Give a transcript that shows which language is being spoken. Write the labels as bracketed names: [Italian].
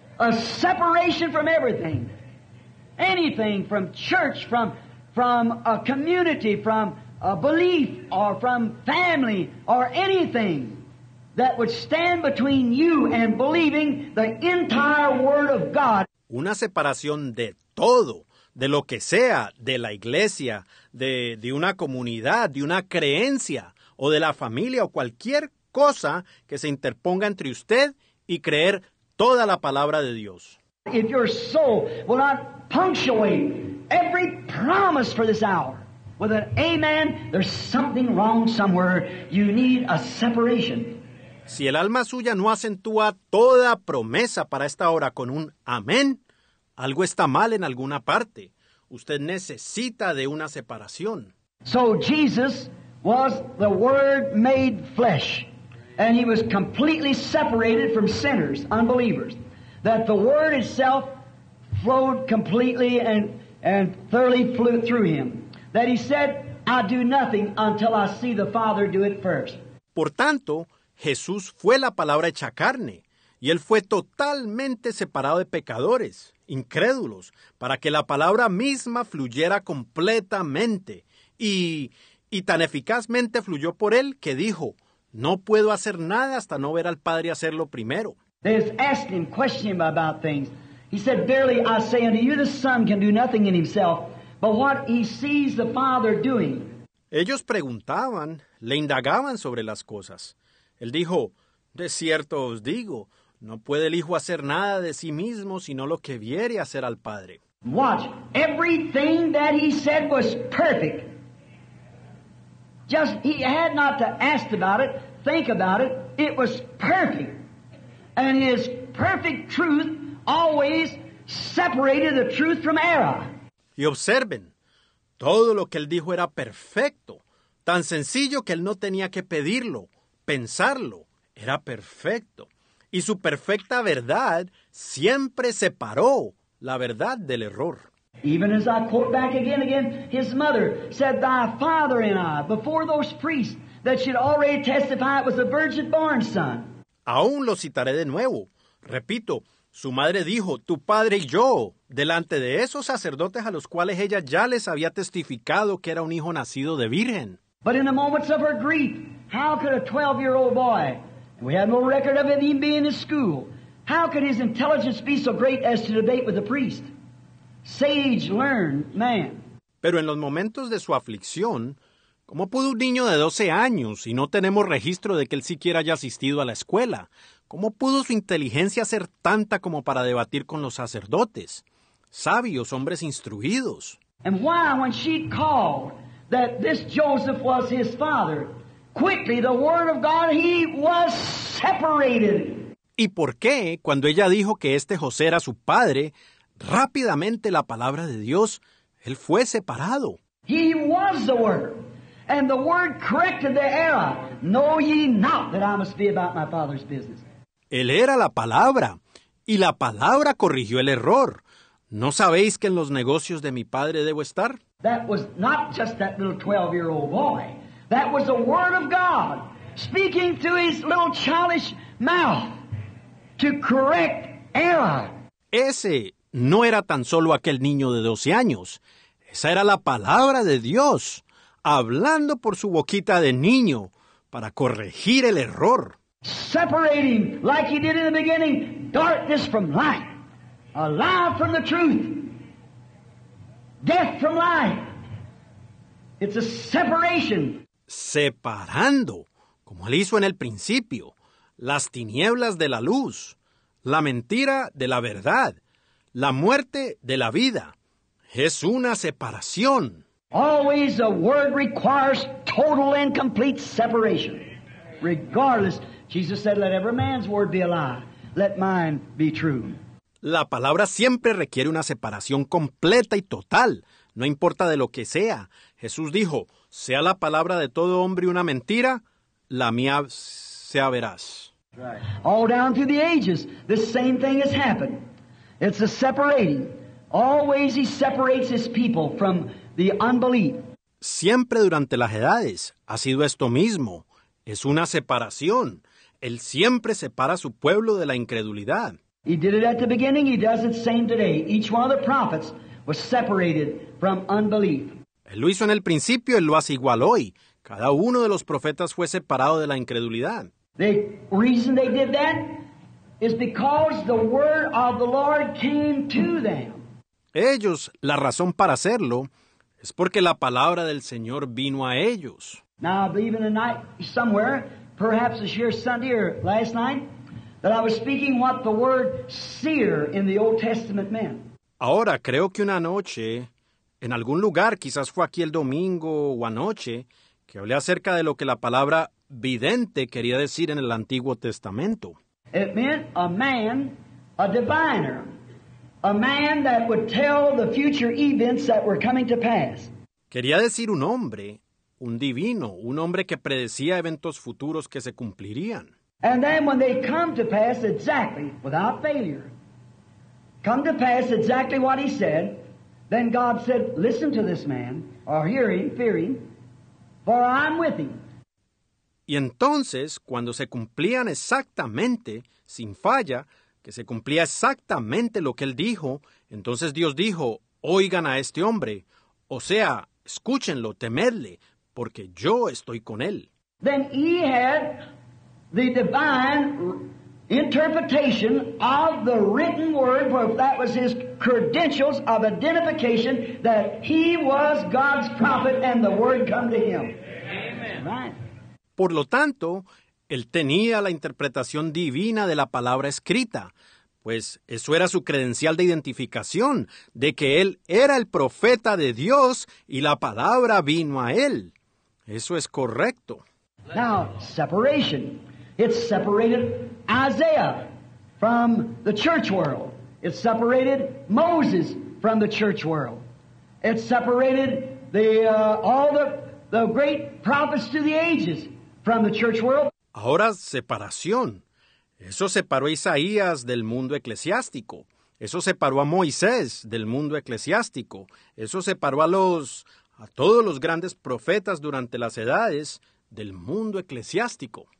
[English] A separation from everything. Anything from church, from a community, from a belief, or from family, or anything that would stand between you and believing the entire Word of God. [Spanish] una separación de todo, de lo que sea, de la iglesia, de una comunidad, de una creencia, o de la familia, o cualquier cosa que se interponga entre usted y creer toda la palabra de Dios. [English] If your soul will not punctuate every promise for this hour with an amen, there's something wrong somewhere. You need a separation. [Spanish] Si el alma suya no acentúa toda promesa para esta hora con un amén, algo está mal en alguna parte. Usted necesita de una separación. [English] So Jesus was the Word made flesh, and he was completely separated from sinners, unbelievers. That the Word itself flowed completely and thoroughly flew through him. That he said, I do nothing until I see the Father do it first. [Spanish] Por tanto, Jesús fue la palabra hecha carne, y él fue totalmente separado de pecadores, incrédulos, para que la palabra misma fluyera completamente, y tan eficazmente fluyó por él que dijo, no puedo hacer nada hasta no ver al Padre hacerlo primero. [English] They asked him, questioned him about things. He said, verily I say unto you, the Son can do nothing in himself, but what he sees the Father doing. [Spanish] Ellos preguntaban, le indagaban sobre las cosas. Él dijo, de cierto os digo, no puede el Hijo hacer nada de sí mismo sino lo que viere hacer al Padre. [English] Watch, everything that he said was perfect. Just, he had not to ask about it, think about it, it was perfect. And his perfect truth always separated the truth from error. [Spanish] Y observen, todo lo que él dijo era perfecto, tan sencillo que él no tenía que pedirlo. Pensarlo era perfecto, y su perfecta verdad siempre separó la verdad del error. [English] Even as I quote back again, his mother said, thy father and I, before those priests that should already testify it was a virgin born son. [Spanish] Aún lo citaré de nuevo. Repito, su madre dijo, tu padre y yo, delante de esos sacerdotes a los cuales ella ya les había testificado que era un hijo nacido de virgen. [English] But in the moments of her grief, how could a 12-year-old boy, we have no record of him being in school, how could his intelligence be so great as to debate with the priest? Sage, learned man. [Spanish] Pero en los momentos de su aflicción, ¿cómo pudo un niño de 12 años, y no tenemos registro de que él siquiera haya asistido a la escuela? ¿Cómo pudo su inteligencia ser tanta como para debatir con los sacerdotes? Sabios, hombres instruidos. [English] And why, when she called that this Joseph was his father, quickly the word of God, he was separated. [Spanish] ¿Y por qué, cuando ella dijo que este José era su padre, rápidamente la palabra de Dios, él fue separado? [English] He was the word, and the word corrected the error. Know ye not that I must be about my father's business. [Spanish] Él era la palabra, y la palabra corrigió el error. ¿No sabéis que en los negocios de mi padre debo estar? [English] That was not just that little 12-year-old boy. That was the word of God speaking to his little childish mouth to correct error. [Spanish] Ese no era tan solo aquel niño de 12 años. Esa era la palabra de Dios hablando por su boquita de niño para corregir el error. [English] Separating, like he did in the beginning, darkness from light, a lie from the truth, death from life. It's a separation. [Spanish] Separando, como él hizo en el principio, las tinieblas de la luz, la mentira de la verdad, la muerte de la vida. Es una separación. [English] Always a word requires total and complete separation. Regardless, Jesus said, let every man's word be a lie, let mine be true. [Spanish] La palabra siempre requiere una separación completa y total, no importa de lo que sea. Jesús dijo, sea la palabra de todo hombre una mentira, la mía sea veraz. [English] All down through the ages, the same thing has happened. It's a separating. Always he separates his people from the unbelief. [Spanish] Siempre durante las edades ha sido esto mismo. Es una separación. Él siempre separa a su pueblo de la incredulidad. [English] He did it at the beginning, he does it same today. Each one of the prophets was separated from unbelief. [Spanish] Él lo hizo en el principio, él lo hace igual hoy. Cada uno de los profetas fue separado de la incredulidad. [English] The reason they did that, is because the word of the Lord came to them. [Spanish] Ellos, la razón para hacerlo, es porque la palabra del Señor vino a ellos. [English] Now, I believe in the night somewhere, perhaps this year Sunday or last night, that I was speaking what the word seer in the Old Testament meant. [Spanish] Ahora, creo que una noche, en algún lugar, quizás fue aquí el domingo o anoche, que hablé acerca de lo que la palabra vidente quería decir en el Antiguo Testamento. [English] It meant a man, a diviner, a man that would tell the future events that were coming to pass. [Spanish] Quería decir un hombre, un divino, un hombre que predecía eventos futuros que se cumplirían. [English] And then when they come to pass exactly, without failure, come to pass exactly what he said, then God said, listen to this man, or hear him, fear him, for I'm with him. [Spanish] Y entonces, cuando se cumplían exactamente, sin falla, que se cumplía exactamente lo que él dijo, entonces Dios dijo, oigan a este hombre, o sea, escúchenlo, temedle, porque yo estoy con él. [English] Then he had the divine interpretation of the written word, where that was his credentials of identification, that he was God's prophet and the word come to him. Amen. Right. [Spanish] Por lo tanto, él tenía la interpretación divina de la palabra escrita, pues eso era su credencial de identificación, de que él era el profeta de Dios y la palabra vino a él. Eso es correcto. [English] Now, separation. It separated Isaiah from the church world. It separated Moses from the church world. It separated all the great prophets to the ages from the church world. [Spanish] Ahora, separación. Eso separó a Isaías del mundo eclesiástico. Eso separó a Moisés del mundo eclesiástico. Eso separó a todos los grandes profetas durante las edades del mundo eclesiástico.